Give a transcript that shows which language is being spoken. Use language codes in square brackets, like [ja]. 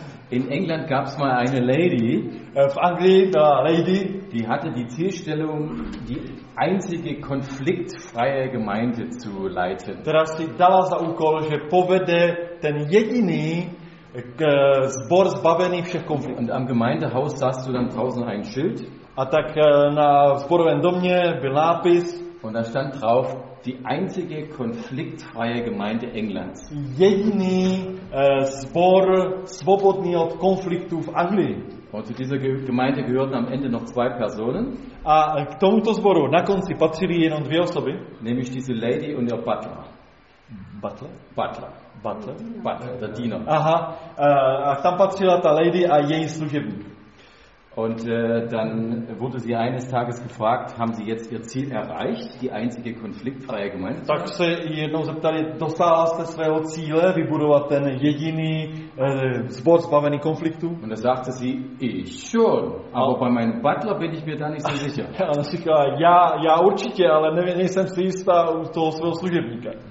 [de] In England gab es mal eine Lady. [cs] V Anglii byla lady. [de] Die hatte die Zielstellung, die einzige konfliktfreie Gemeinde zu leiten. [cs] Teda si dala za úkol, že povede ten jediný zbor zbavený všech konfliktů. [de] Und am Gemeindehaus sahst du dann draußen ein Schild. [cs] A tak na zborovém domě byl nápis. [de] Und da stand drauf: Die einzige konfliktfreie Gemeinde Englands. [cs] Jediný zbor svobodný od konfliktů v Anglii. [de] Und zu dieser Gemeinde gehörten am Ende noch zwei Personen. [cs] A k tomuto zboru na konci patřili jenom dvě osoby. [de] Nämlich diese lady und ihr Butler. Butler, der Diener. [cs] Aha, a tam patřila ta lady a její služebník. [de] Und dann wurde sie eines Tages gefragt, haben Sie jetzt Ihr Ziel erreicht, die einzige konfliktfreie Gemeinde? [cs] Tak se jednou zeptali, dostala jste svého cíle, vybudovat ten jediný zbor zbavený konfliktu? [de] Und da sagte sie, ich schon, aber bei meinem Butler bin ich mir da nicht so sicher. [cs] A ona říkala, já určitě, ale nejsem si jistá u toho svého služebníka.